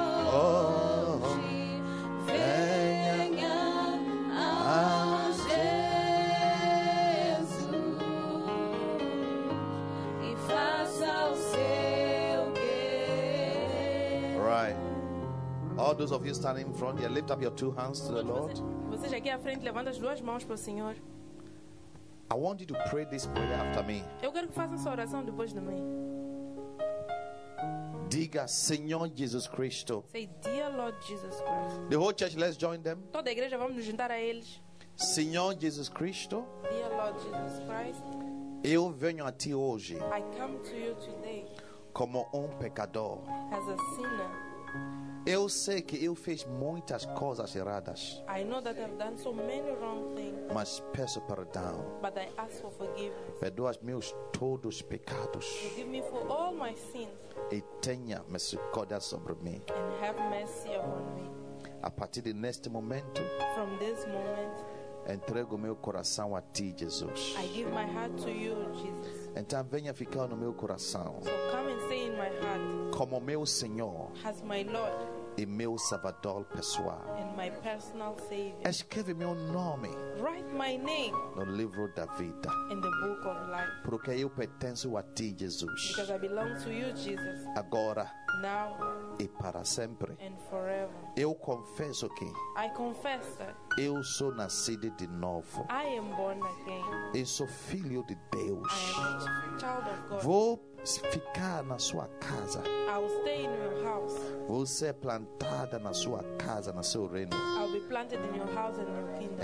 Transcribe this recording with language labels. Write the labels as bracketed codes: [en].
[pt] Oh, venha a Jesus e faça o seu querer. [en] Right. All those of you standing in front here, lift up your two hands to the Lord. [pt] Vocês aqui à frente, levanta as duas mãos para o Senhor. [en] I want you to pray this prayer after me. [pt] Eu quero que faça sua oração depois de mim. Diga, Senhor Jesus Cristo. [en] Say, dear Lord Jesus Christ. The whole church, let's join them. [pt] Toda a igreja, vamos nos juntar a eles. Senhor Jesus Cristo. [en] Dear Lord Jesus Christ. [pt] Eu venho a ti hoje. [en] I come to you today. [pt] Como pecador. [en] As a sinner. [pt] Eu sei que eu fiz muitas coisas erradas. [en] I know that I've done so many wrong things. [pt] Mas peço perdão. [en] But I ask for forgiveness. [pt] Perdoa-me meus todos os pecados. [en] Forgive me for all my sins. [pt] E tenha misericórdia sobre mim. [en] And have mercy upon me. [pt] A partir de neste momento. [en] From this moment. [pt] Entrego meu coração a ti, Jesus. [en] I give my heart to you, Jesus. [pt] Então venha ficar no meu coração. [en] So come and stay in my heart. [pt] Como meu Senhor. [en] As my Lord. [pt] e meu salvador pessoal. [en] And my personal savior. [pt] Escreve meu nome. [en] Write my name. [pt] No livro da vida. [en] In the book of life. [pt] Porque eu pertenço a ti, Jesus. [en] Because I belong to you, Jesus. [pt] Agora. [en] Now. [pt] E para sempre. [en] And forever. [pt] Eu confesso que. [en] I confess that. [pt] Eu sou nascido de novo. [en] I am born again. [pt] Eu sou filho de Deus. [en] I am child of God. [pt] Vou ficar na sua casa. [en] I will stay in your house. [pt] Vou ser plantada na sua casa, no seu reino. [en] I'll be planted in your house and your kingdom.